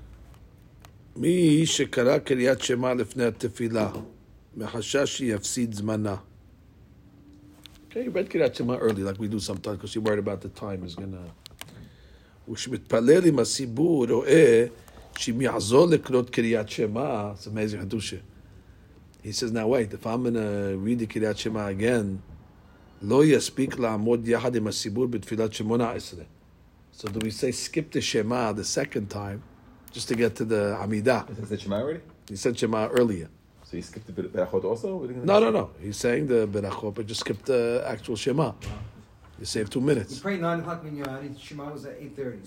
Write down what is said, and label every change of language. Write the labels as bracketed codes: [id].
[he] This one over here. מי שקרא קריאת שמע לפני התפילה, מחשש שיפסיד זמנה. [en] Okay, you read קריאת שמע early, like we do sometimes, because you're worried about the time is gonna. [he] ושמתפלל עם הסיבור, רואה שמיעזור לקרות קריאת שמע, [en] it's amazing, [he] חדושה. [en] He says, now wait, if I'm gonna read the קריאת שמע again, [he] לא יספיק לעמוד יחד עם הסיבור בתפילת שמונה עשרה. [en] So do we say skip the Shema the second time just to get to the Amidah? He said Shema already? He said Shema earlier. So he skipped the Berachot also? No. He's saying the Berachot, but just skipped the actual Shema. Wow. You save 2 minutes. You pray 9 o'clock when you're out. Shema was at 8:30.